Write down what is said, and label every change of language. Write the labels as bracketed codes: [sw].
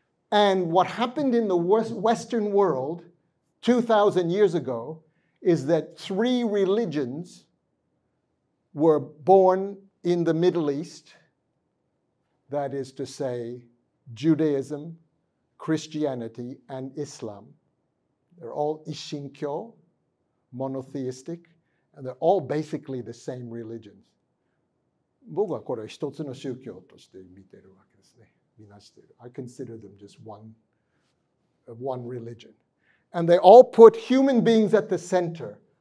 [en] And what happened in the Western world 2,000 years ago is that three religions were born in the Middle East, that is to say Judaism, Christianity, and Islam. They're all [ja] 一神教, [en] monotheistic, and they're all basically the same religions. [ja] 僕はこれを一つの宗教として見ているわけですね。みなしている。 [en] I consider them just one religion. And they all put human beings at the center.